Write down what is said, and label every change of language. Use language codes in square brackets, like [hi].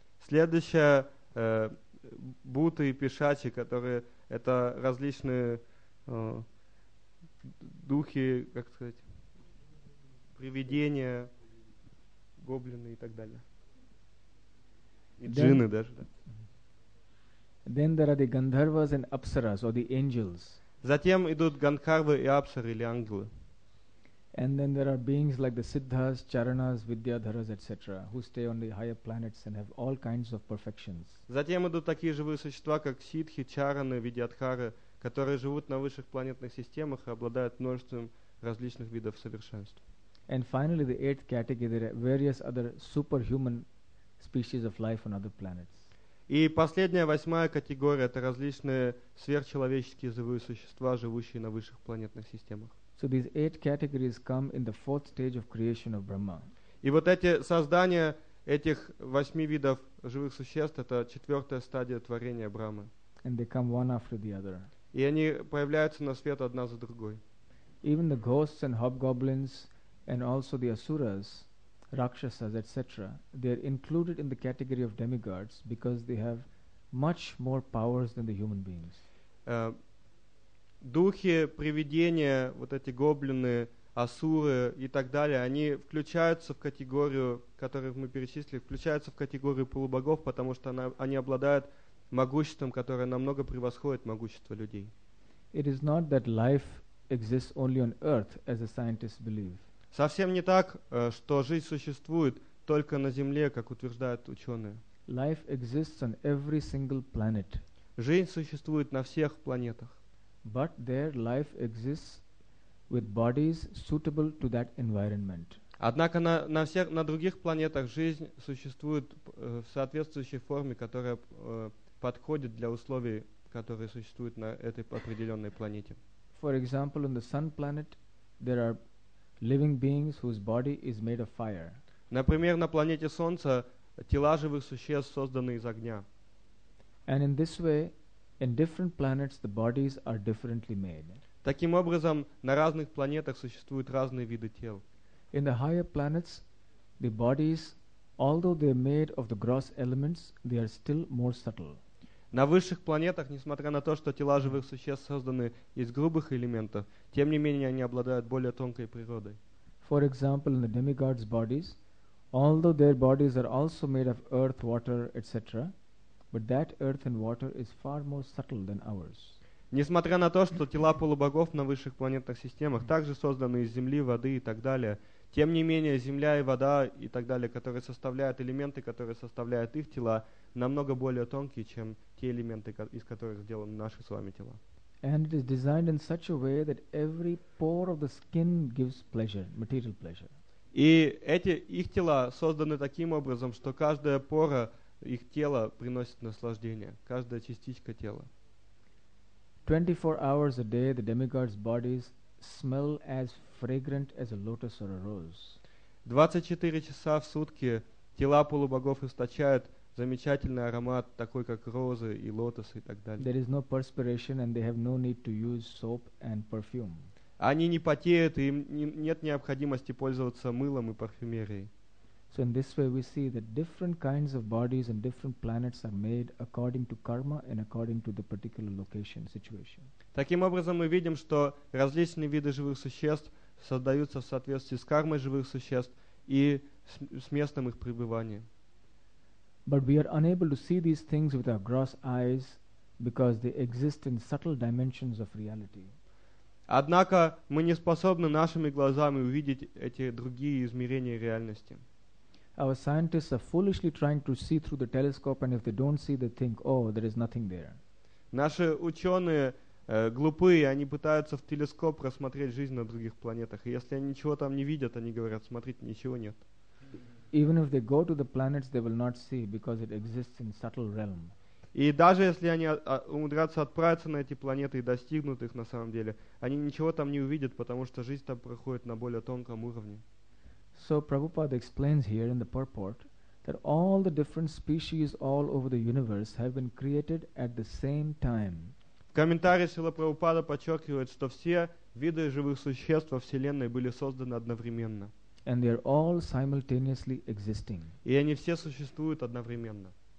[ru] Следующая бхуты и пишачи, которые — это различные духи, как сказать, привидения, гоблины и так далее. И джинны даже. Да. [en] Then there are the gandharvas and apsaras, or the angels. [ru] Затем идут гандхарвы и апсары, или ангелы. [en] And then there are beings like the siddhas, charanas, vidyadharas, etc., who stay on the higher planets and have all kinds of perfections. [ru] Затем идут такие живые существа, как сиддхи, чараны, видьядхары, которые живут на высших планетных системах и обладают множеством различных видов совершенств. [en] And finally, the eighth category, there are various other superhuman species of life on other planets. [ru] И последняя, восьмая категория — это различные сверхчеловеческие живые существа, живущие на высших планетных системах. [en] So these eight categories come in the fourth stage of creation of Brahma. [ru] И вот эти создания этих восьми видов живых существ — это четвертая стадия творения Брахмы. [en] And they come one after the other. [ru] И они появляются на свет одна за другой. [en] Even the ghosts and hobgoblins and also the asuras, rakshasas, etc., they are included in the category of demigods because they have much more powers than the human beings. [ru] Духи, привидения, вот эти гоблины, асуры и так далее, они включаются в категорию, которую мы перечислили, включаются в категорию полубогов, потому что они обладают могуществом, которое намного превосходит могущество людей. [en] It is not that life exists only on Earth, as the scientists believe. [ru] Совсем не так, что жизнь существует только на Земле, как утверждают ученые. [en] Life exists on every single planet. [ru] Жизнь существует на всех планетах. [en] But there life exists with bodies suitable to that environment. [ru] Однако на других планетах жизнь существует в соответствующей форме, которая подходит для условий, которые существуют на этой определенной планете. [en] For example, on the Sun planet, there are living beings whose body is made of fire. [ru] Например, на планете Солнца тела живых существ созданы из огня. [en] And in this way, in different planets, the bodies are differently made. [ru] Таким образом, на разных планетах существуют разные виды тел. [en] In the higher planets, the bodies, although they are made of the gross elements, they are still more subtle. [ru] На высших планетах, несмотря на то, что тела живых существ созданы из грубых элементов, тем не менее они обладают более тонкой природой. [en] For example, in the demigods' bodies, although their bodies are also made of earth, water, etc., but that earth and water is far more subtle than ours. [ru] Несмотря на то, что тела полубогов на высших планетных системах также созданы из земли, воды и так далее, тем не менее земля и вода и так далее, которые составляют элементы, которые составляют их тела, намного более тонкие, чем те элементы, из которых сделаны наши с вами тела. [en] And it is designed in such a way that every pore of the skin gives pleasure, material pleasure. [ru] И их тела созданы таким образом, что каждая пора их тела приносит наслаждение, каждая частичка тела. [en] 24 hours a day the demigods' bodies smell as fragrant as a lotus or a rose. [ru] 24 часа в сутки тела полубогов источают замечательный аромат, такой как розы и лотосы и так далее. [en] There is no perspiration and they have no need to use soap and perfume. [ru] Они не потеют, и им нет необходимости пользоваться мылом и парфюмерией. [en] So in this way we see that different kinds of bodies and different planets are made according to karma and according to the particular location, situation. [ru] Таким образом мы видим, что различные виды живых существ создаются в соответствии с кармой живых существ и с местом их пребывания. [en] But we are unable to see these things with our gross eyes because they exist in subtle dimensions of reality. [ru] Однако мы не способны нашими глазами увидеть эти другие измерения реальности. [en] Our scientists are foolishly trying to see through the telescope, and if they don't see, they think, "Oh, there is nothing there." [ru] Наши ученые глупые, они пытаются в телескоп рассмотреть жизнь на других планетах, и если они ничего там не видят, они говорят: "Смотрите, ничего нет." [en] Even if they go to the planets, they will not see because it exists in subtle realm. [ru] И даже если они умудрятся отправиться на эти планеты и достигнут их на самом деле, они ничего там не увидят, потому что жизнь там проходит на более тонком уровне. [en] So Prabhupada explains here in the purport that all the different species all over the universe have been created at the same time. [ru] В комментарии Шрила Прабхупада подчеркивает, что все виды живых существ во Вселенной были созданы одновременно. [en] And they are all simultaneously existing. [ru] И они все существуют одновременно.